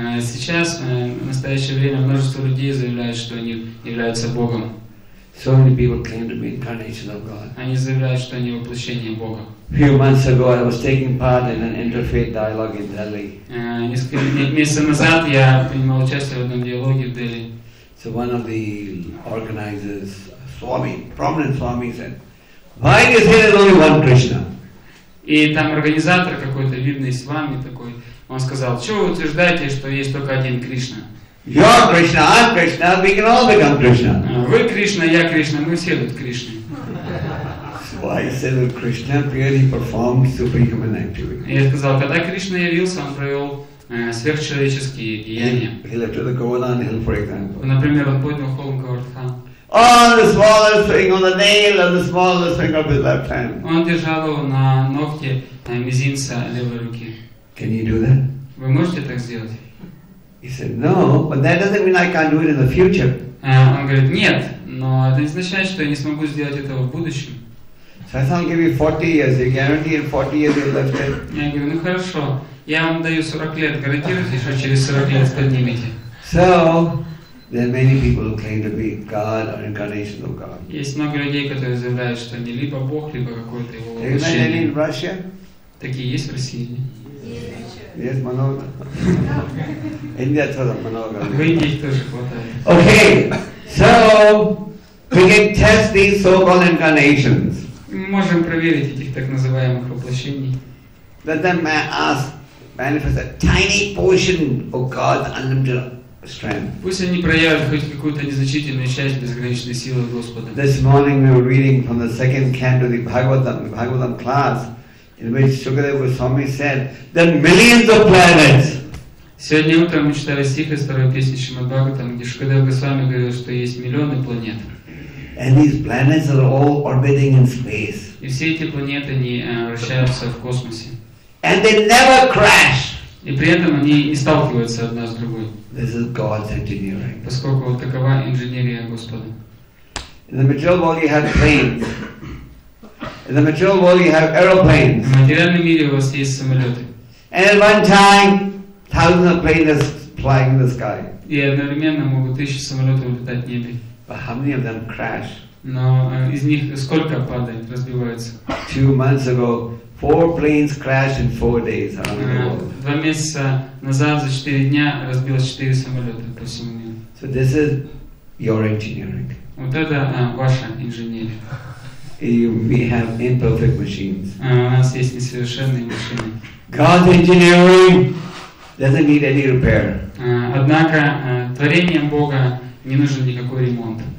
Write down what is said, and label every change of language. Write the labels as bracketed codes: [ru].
[ru] Сейчас в настоящее время множество людей заявляют, что они являются Богом. [en] So many people claim to be incarnation of God. [ru] Они заявляют, что они воплощение Бога. [en] Few months ago, I was taking part in an interfaith dialogue in Delhi. [ru] Несколько месяцев назад я принимал участие в одном диалоге в Дели. [en] So one of the organizers, Swami, prominent Swami, said, "Why is there only one Krishna?" [ru] И там организатор какой-то, видный с вами такой, он сказал, что вы утверждаете, что есть только один Кришна? [en] You're Krishna, I'm Krishna, we can all become Krishna. [ru] Вы Кришна, я Кришна, мы все тут Кришны. [en] Why is it that Krishna purely performed superhuman activity? [ru] Я сказал, когда Кришна явился, он провел сверхчеловеческие деяния. [en] He left the Govardhan Hill, for example. [ru] Например, он поднял холм Говардхан. [en] On the smallest finger, on the nail of the smallest finger of his left hand. [ru] Он держал его на ногте мизинца левой руки. [en] Can you do that? [ru] Вы можете так сделать? [en] He said, no, but that doesn't mean I can't do it in the future. [ru] Он говорит, нет, но это не означает, что я не смогу сделать этого в будущем. [en] Satsang give you 40 years, you guarantee in 40 years you'll lift it. [ru] Я говорю, ну хорошо, я вам даю 40 лет, гарантируйте, что через 40 лет поднимете. [en] So, there are many people who claim to be God or incarnation of God. [ru] Есть много людей, которые заявляют, что они либо Бог, либо какой-то его воплощение. [en] Do you know any in Russia? [ru] Такие есть в России? Yes, много. India тоже много. В Индии тоже хватает. [en] Okay, so, we can test these so-called incarnations. [ru] Мы можем проверить этих так называемых воплощений. [en] Let them ask, manifest a tiny portion of God's unlimited strength. [ru] Пусть они проявят хоть какую-то незначительную часть безграничной силы Господа. [en] This morning we were reading from the second canto of the Bhagavatam class, in which Shukadeva Goswami said, there are millions of planets. [ru] Сегодня утром мы читали стих из второй песни Шримад-Бхагаватам, где Шукадева Госвами говорил, что есть миллионы планет. [en] And these planets are all orbiting in space. [ru] И все эти планеты, они вращаются в космосе. [en] And they never crash. [ru] И при этом они не сталкиваются одна с другой. [en] This is God's engineering. [ru] Поскольку вот такова инженерия Господа. [en] In the material world you have planes. In the material world you have aeroplanes. [ru] В материальном мире у вас есть самолеты. [en] And at one time, thousands of planes flying in the sky. [ru] И одновременно могут тысячи самолетов летать в небе. [en] But how many of them crash? [ru] Но из них сколько падает, разбивается? [en] 2 months ago, 4 planes crashed in 4 days. [ru] Два месяца назад за 4 дня разбилось 4 самолета по всему миру. [en] So this is your engineering. [ru] Вот это ваша инженерия. [en] We have imperfect machines. [ru] У нас есть несовершенные машины. [en] God's engineering doesn't need any repair. [ru] Однако творением Бога не нужен никакой ремонт.